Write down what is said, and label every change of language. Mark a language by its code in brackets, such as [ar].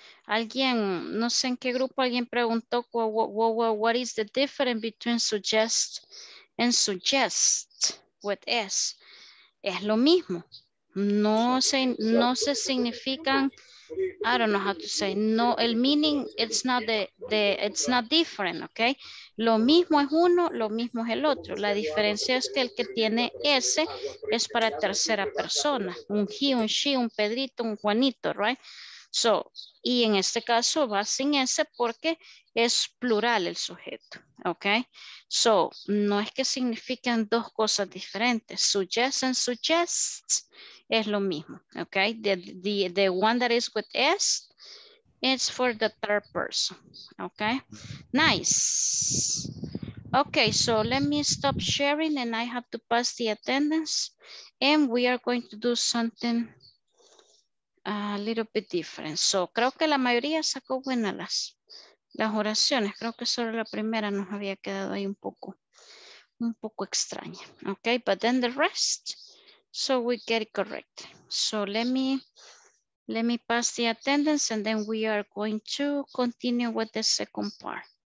[es] Alguien, no sé en qué grupo, alguien preguntó, [en] what is the difference between suggest and suggest with S? [es] Es lo mismo. No se significan, [en] I don't know how to say, no, el meaning, it's not different, okay? [es] Lo mismo es uno, lo mismo es el otro. La diferencia es que el que tiene S es para tercera persona. Un he, un she, un Pedrito, un Juanito, right? So, y en este caso va sin S porque es plural el sujeto, okay? So, no es que signifiquen dos cosas diferentes. Suggest and suggests es lo mismo, okay? [en] The one that is with S, it's for the third person, okay? Nice. Okay, so let me stop sharing and I have to pass the attendance and we are going to do something a little bit different. [es] So, creo que la mayoría sacó buenas las oraciones. Creo que solo la primera nos había quedado ahí un poco extraña. [en] Okay, but then the rest, so we get it correct. So, let me pass the attendance and then we are going to continue with the second part.